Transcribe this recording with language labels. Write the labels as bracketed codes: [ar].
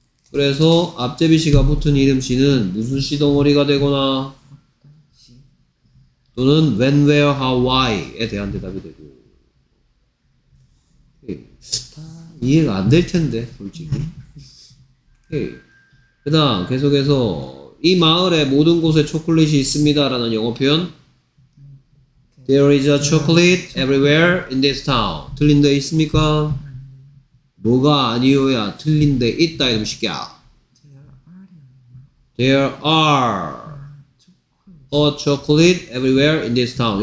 [ko] 그래서 앞제비 씨가 붙은 이름 씨는 무슨 씨 덩어리가 되거나 또는 when, where, how, why에 대한 대답이 되고. 이해가 안 될 텐데 솔직히. 오케이. 그 다음 계속해서 이 마을의 모든 곳에 초콜릿이 있습니다 라는 영어 표현. [en] There is a chocolate everywhere in this town. [ko] 틀린 데 있습니까? 뭐가 아니어야 틀린 데 있다 이러면 쉽게야. [en] There are a chocolate everywhere in this town.